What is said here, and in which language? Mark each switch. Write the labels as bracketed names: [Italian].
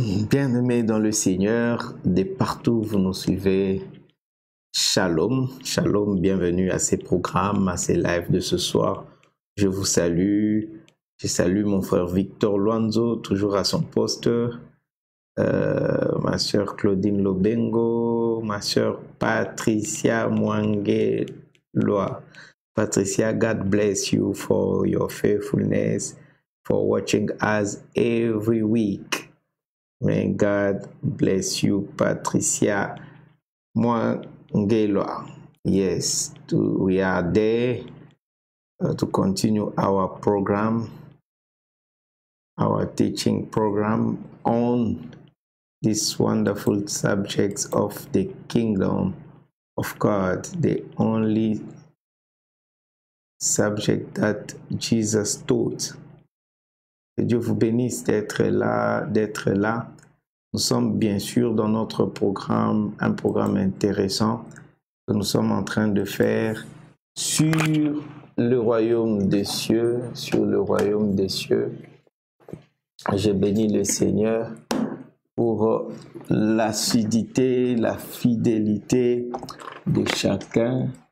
[French] Bien-aimés dans le Seigneur, de partout où vous nous suivez, shalom, shalom, bienvenue à ces programmes, à ces lives de ce soir. Je vous salue, je salue mon frère Victor Luanzo, toujours à son poste, ma sœur Claudine Lobengo, ma sœur Patricia Mwangeloa. [English] Patricia, God bless you for your faithfulness, for watching us every week. May God bless you, Patricia Mwangeloa. Yes, we are there to continue our program, our teaching program on this wonderful subject of the kingdom of God, the only subject that Jesus taught. [French] Que Dieu vous bénisse d'être là. Nous sommes bien sûr dans notre programme, un programme intéressant que nous sommes en train de faire sur le royaume des cieux, sur le royaume des cieux. Je bénis le Seigneur pour l'assiduité, la fidélité de chacun.